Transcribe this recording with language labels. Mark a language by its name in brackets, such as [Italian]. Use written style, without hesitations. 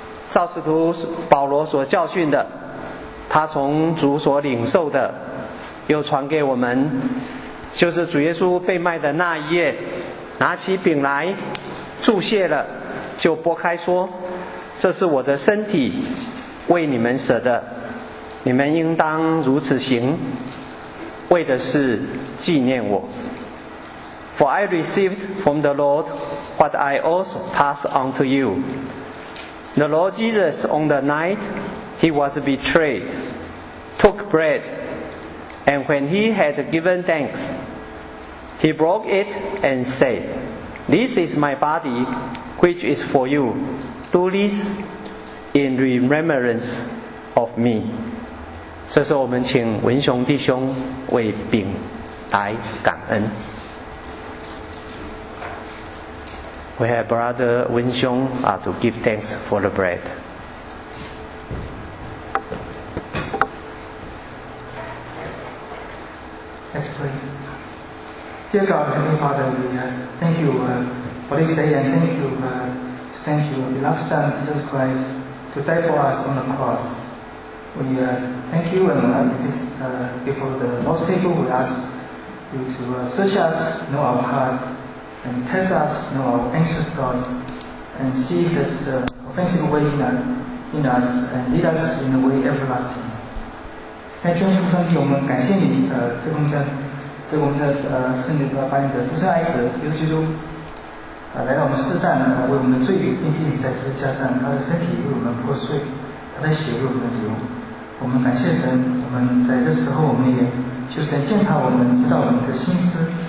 [Chinese] 照使徒保罗所教训的，他从主所领受的，又传给我们，就是主耶稣被卖的那一夜，拿起饼来，祝谢了，就拨开说：“这是我的身体，为你们舍的，你们应当如此行，为的是纪念我。” [English] For I received from the Lord what I also pass on to you. The Lord Jesus, on the night he was betrayed, took bread, and when he had given thanks, he broke it and said, This is my body, which is for you. Do this in remembrance of me. [Chinese] 这时候我们请文雄弟兄为饼来感恩。 [English] We have Brother Wen Xiong to give thanks for the bread. Let's pray. Dear God, Heavenly Father, we thank you for this day, and thank you to send your beloved Son, Jesus Christ, to die for us on the cross. We thank you, and before the Lord's table with us, you to search us, know our hearts,and test us, you know, our anxious thoughts, and see if there's offensive way in us, and lead us in a way everlasting. [Chinese] 在天父上帝，我们感谢你，赐给我们这，赐给我们这，是你把你的独生爱子耶稣基督，来到我们世上，为我们的罪钉钉在十字架上，他的身体为我们破碎，他的血为我们的流。我们感谢神，我们在这时候，我们也求神鉴察我们，知道我们的心思。